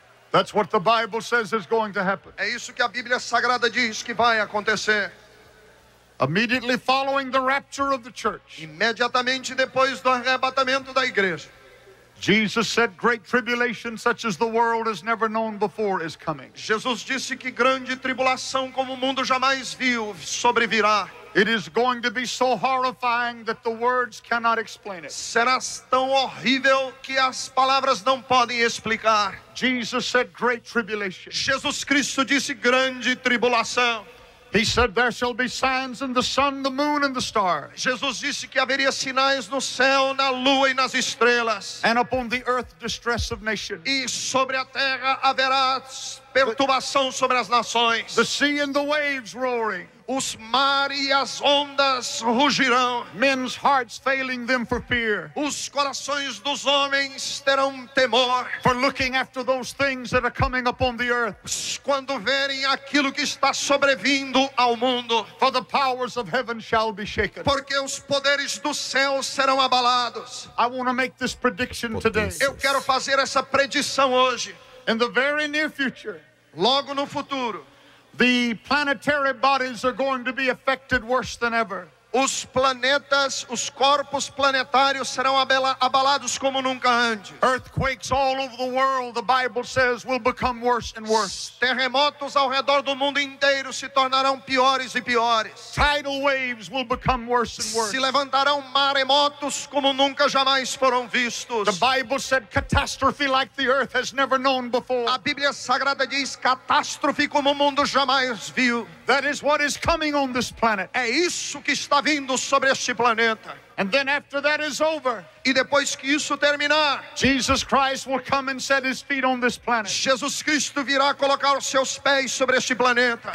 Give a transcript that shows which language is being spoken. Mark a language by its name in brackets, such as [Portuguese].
[English] That's what the Bible says is going to happen. [Portuguese] É isso que a Bíblia Sagrada diz que vai acontecer. [English] Immediately following the rapture of the church. [Portuguese] Imediatamente depois do arrebatamento da igreja. [English] Jesus said great tribulation such as the world has never known before is coming. [Portuguese] Jesus disse que grande tribulação como o mundo jamais viu sobrevirá. [English] It is going to be so horrifying that the words cannot explain it. [Portuguese] Será tão horrível que as palavras não podem explicar. [English] Jesus said great tribulation. [Portuguese] Jesus Cristo disse grande tribulação. [English] He said there shall be signs in the sun, the moon and the stars. [Portuguese] Jesus disse que haveria sinais no céu, na lua e nas estrelas. [English] And upon the earth distress of nations. [Portuguese] E sobre a terra haverá perturbação sobre as nações. [English] The sea and the waves roaring. [Portuguese] Os mares e as ondas rugirão. [English] Men's hearts failing them for fear. [Portuguese] Os corações dos homens terão temor. [English] For looking after those things that are coming upon the earth. [Portuguese] Quando verem aquilo que está sobrevindo ao mundo. [English] For the powers of heaven shall be shaken. [Portuguese] Porque os poderes do céu serão abalados. [English] I want to make this prediction today. [Portuguese] Eu quero fazer essa predição hoje. [English] In the very near future. [Portuguese] Logo no futuro. [English] The planetary bodies are going to be affected worse than ever. [Portuguese] Os planetas, os corpos planetários serão abalados como nunca antes. [English] Earthquakes all over the world, the Bible says, will become worse and worse. [Portuguese] Terremotos ao redor do mundo inteiro se tornarão piores e piores. [English] Tidal waves will become worse and worse. [Portuguese] Se levantarão maremotos como nunca jamais foram vistos. [English] The Bible said catastrophe like the earth has never known before. [Portuguese] A Bíblia Sagrada diz catástrofe como o mundo jamais viu. [English] That is what is coming on this planet. [Portuguese] É isso que está vindo sobre este planeta. [English] And then after that is over, [Portuguese] e depois que isso terminar, [English] Jesus Christ will come and set his feet on this planet. [Portuguese] Jesus Cristo virá colocar os seus pés sobre este planeta.